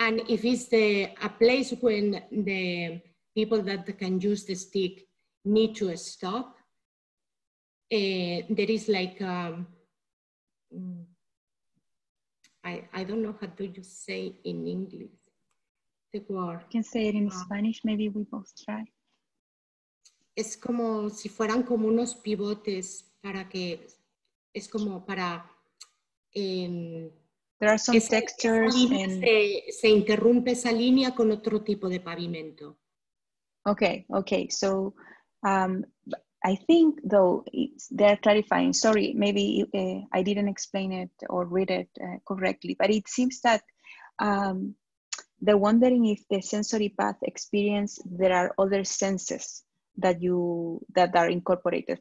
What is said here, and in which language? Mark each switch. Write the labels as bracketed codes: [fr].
[en] And if it's a place when the people that can use the stick need to stop, there is like, I don't know how do you say in English the word. You can say it in Spanish, maybe we both try. [es] Es como si fueran como unos pivotes para que, es como para. [en] There are some textures and. [es] Se interrumpe esa línea con otro tipo de pavimento. [en] Okay. So I think though they're clarifying, sorry, maybe I didn't explain it or read it correctly, but it seems that they're wondering if the sensory path experience, there are other senses that are incorporated.